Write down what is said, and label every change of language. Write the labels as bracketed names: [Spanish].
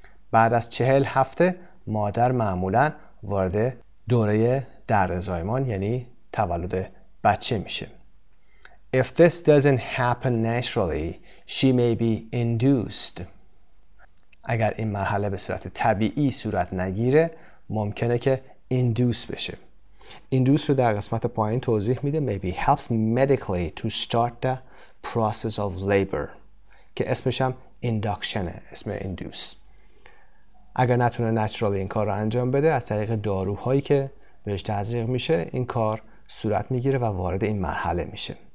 [Persian] بعد از 40 هفته مادر معمولا وارد دوره درد زایمان یعنی تولد بچه میشه. [English] If this doesn't happen naturally, she may be induced. [Persian] اگر این مرحله به صورت طبیعی صورت نگیره، ممکنه که induce بشه. [English] Induce [Persian] رو در قسمت پایین توضیح میده، [English] may be helped medically to start the process of labor. [Persian] که اسمش هم induction، اسم induce. اگر نتونه naturally این کار رو انجام بده، از طریق داروهایی که بهش تزریق میشه، این کار صورت میگیره و وارد این مرحله میشه.